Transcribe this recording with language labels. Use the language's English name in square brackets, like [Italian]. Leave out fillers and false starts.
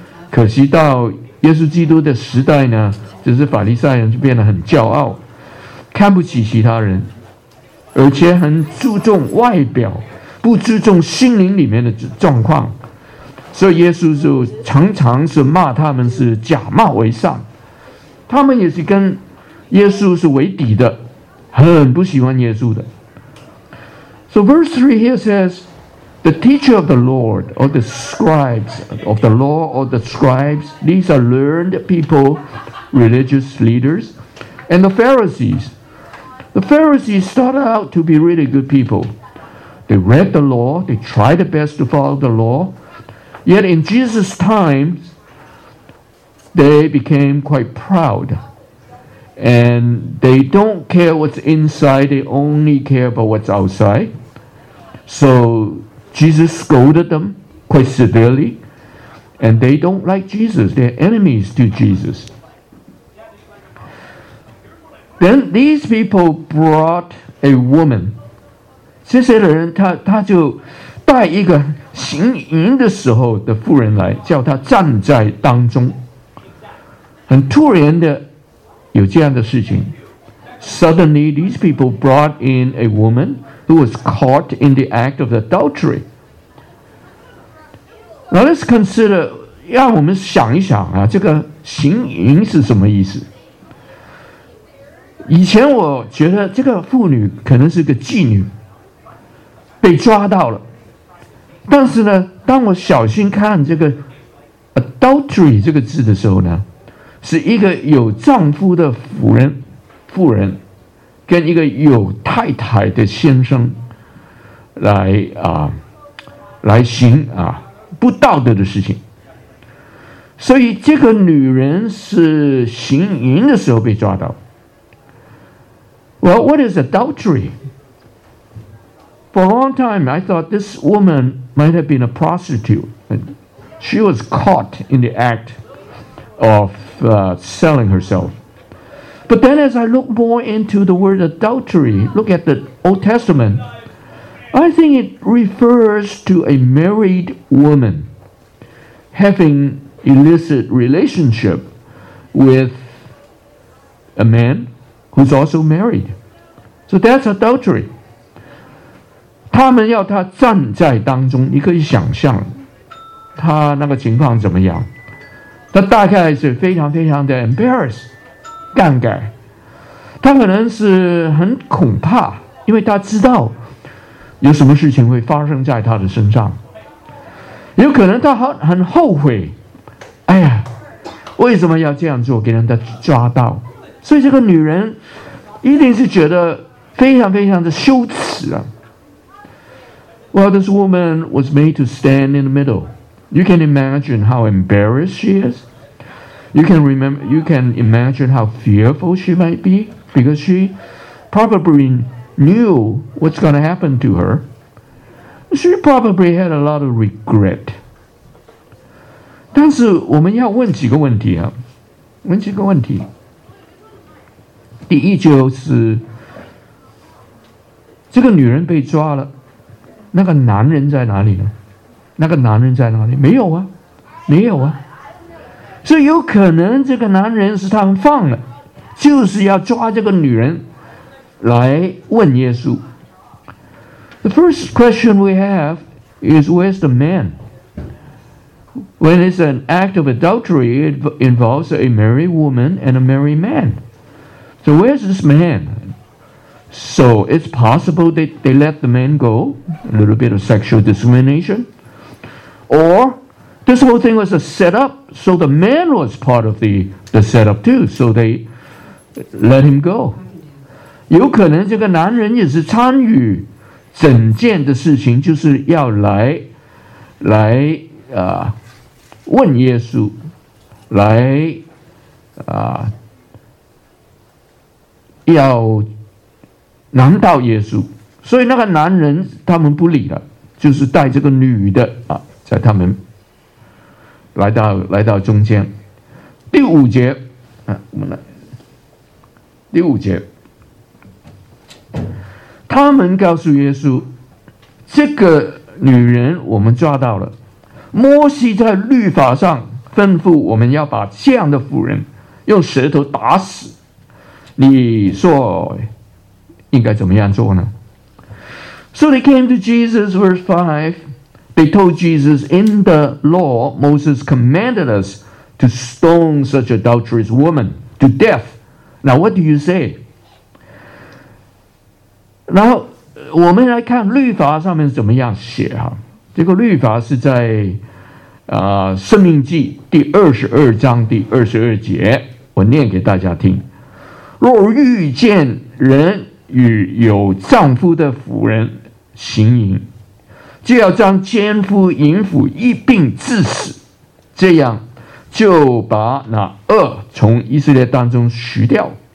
[Chinese] 可惜到耶稣基督的时代呢，就是法利赛人就变得很骄傲，看不起其他人，而且很注重外表，不注重心灵里面的状况。所以耶稣就常常是骂他们是假冒为善，他们也是跟耶稣是为敌的，很不喜欢耶稣的。 [English] So verse 3 here says, the teacher of the Lord or the scribes of the law or the scribes, these are learned people, religious leaders, and the Pharisees. The Pharisees started out to be really good people. They read the law, they tried the best to follow the law,Yet in Jesus' time, they became quite proud. And they don't care what's inside, they only care about what's outside. So Jesus scolded them quite severely. And they don't like Jesus, they're enemies to Jesus. Then these people brought a woman. [Chinese] 这些人他就带一个行淫的时候的妇人来，叫他站在当中。很突然的有这样的事情。 [English] Suddenly these people brought in a woman who was caught in the act of adultery. Now let's consider, [Chinese] 让我们想一想啊，这个行淫是什么意思。以前我觉得这个妇女可能是个妓女，被抓到了。但是呢，当我小心看这个 adultery 这个字的时候呢，是一个有丈夫的妇人跟一个有太太的先生来来行啊不道德的事情。所以这个女人是行淫的时候被抓到。 [English] Well, what is adultery? For a long time, I thought this woman might have been a prostitute. She was caught in the act of selling herself. But then as I look more into the word adultery, look at the Old Testament, I think it refers to a married woman having illicit relationship with a man who's also married. So that's adultery. [Chinese] 他们要他站在当中，你可以想象他那个情况怎么样。他大概是非常非常的 [English] embarrassed， [Chinese] 尴尬。他可能是很恐怕，因为他知道有什么事情会发生在他的身上。有可能他很后悔，哎呀，为什么要这样做，给人家抓到。所以这个女人一定是觉得非常非常的羞耻啊。 [English] Well, this woman was made to stand in the middle. You can imagine how embarrassed she is. You can imagine how fearful she might be, because she probably knew what's going to happen to her. She probably had a lot of regret. [Chinese] 但是我们要问几个问题啊，问几个问题。第一就是，这个女人被抓了，那个男人在哪里呢？那个男人在哪里？没有啊，没有啊。所以有可能这个男人是他们放了，就是要抓这个女人来问耶稣。 [English] The first question we have is, where's the man? When it's an act of adultery, it involves a married woman and a married man. So where's this man? So it's possible that they let the man go, a little bit of sexual discrimination. Or this whole thing was a setup, so the man was part of the setup too, so they let him go. [Chinese] 有可能这个男人也是参与整件的事情，就是要来问耶稣，要难道耶稣，所以那个男人他们不理了，就是带这个女的啊，在他们来到中间。第五节，我们来第五节，他们告诉耶稣，这个女人我们抓到了，摩西在律法上吩咐我们要把这样的妇人用舌头打死，你说应该怎么样做呢？ [English] So they came to Jesus, verse 5. They told Jesus, in the law, Moses commanded us to stone such adulterous woman to death. Now, what do you say? [Chinese] 然后我们来看律法上面怎么样写哈。这个律法是在生命记第22章第22节，我念给大家听。若遇见人与有丈夫的妇人行淫，就要将奸夫淫妇一并致死，这样就把那恶从以色列当中除掉。